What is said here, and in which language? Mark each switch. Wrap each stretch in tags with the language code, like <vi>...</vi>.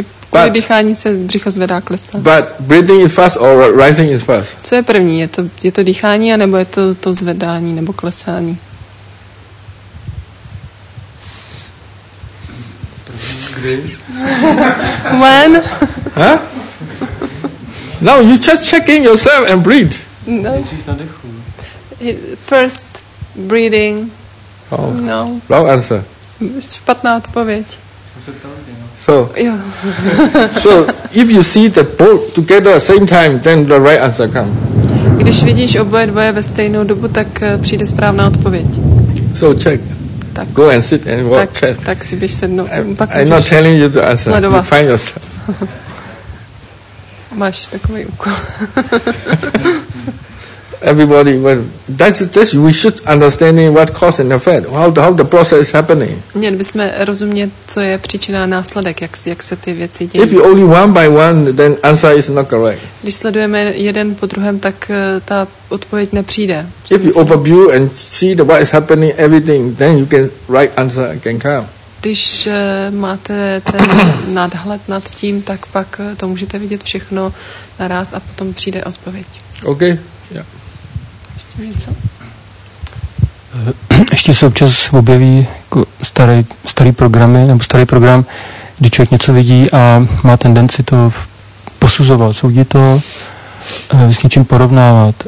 <cs>Kvůli dýchání se břicho zvedá, klesá.</cs> <en>But breathing is fast or rising is fast?</en> <cs>Co je první? Je to dýchání anebo je to zvedání nebo klesání? Kdy?</cs> <en>When? Huh? No, you just checking yourself and breathe. No. First breathing. Oh. No. Wrong answer.</en> <cs>Špatná odpověď.</cs> <en>So, so if you see the both together same time, then the right answer comes.</en> <cs>Když vidíš oboje dvoje ve stejnou dobu, tak přijde správná odpověď.</cs> <en>So check.</en> <cs>Tak.</cs> <en>Go and sit and walk.</en> <cs>Tak,</cs> <en>check.</en> <cs>Tak si běž sednout.</cs> <en>I'm not telling you the answer.</en> <cs>Sledovat.</cs> <en>You find yourself.</en> <cs>Máš takový úkol.</cs> <en>Everybody, well, that's we should understand what cause and effect, how the process is happening.</en> <cs>Měli bychom rozumět, co je příčina a následek, jak se ty věci dějí.</cs> <en>If you only one by one, then answer is not correct.</en> <cs>Když sledujeme jeden po druhém, tak ta odpověď nepřijde.</cs> <en>If you overview and see the what is happening, everything, then you can right answer can come.</en> <cs>Když máte ten nadhled nad tím, tak pak to můžete vidět všechno naraz a potom přijde odpověď.</cs> <en>Okay.</en> <cs>Ještě se občas objeví jako starý programy nebo starý program, kdy člověk něco vidí a má tendenci to posuzovat, soudit to, s něčím porovnávat.</cs>